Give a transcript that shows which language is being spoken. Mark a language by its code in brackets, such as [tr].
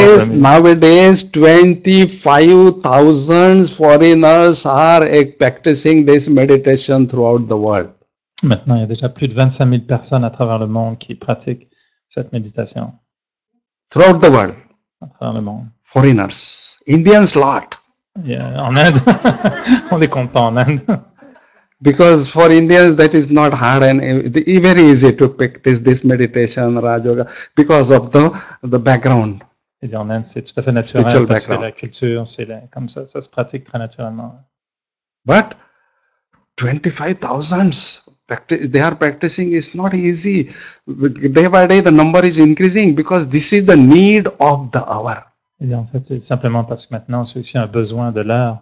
[en] Nowadays, 25,000 foreigners are practicing this meditation throughout the world. [fr] Maintenant, il y a déjà plus de 25 000 personnes à travers le monde qui pratiquent cette méditation. [en] Throughout the world. [fr] À travers le monde. [en] Foreigners. Indians lot. [fr] Yeah, en Inde. On les compte pas en Inde. [en] Because for Indians that is not hard and very easy to practice this meditation, Raj Yoga, because of the background. [fr] Et en Inde, c'est tout à fait naturel, parce que c'est la culture, c'est comme ça, ça se pratique très naturellement. [en] But 25,000, they are practicing, it's not easy. Day by day, the number is increasing because this is the need of the hour. [fr] Et en fait, c'est simplement parce que maintenant, c'est aussi un besoin de l'heure.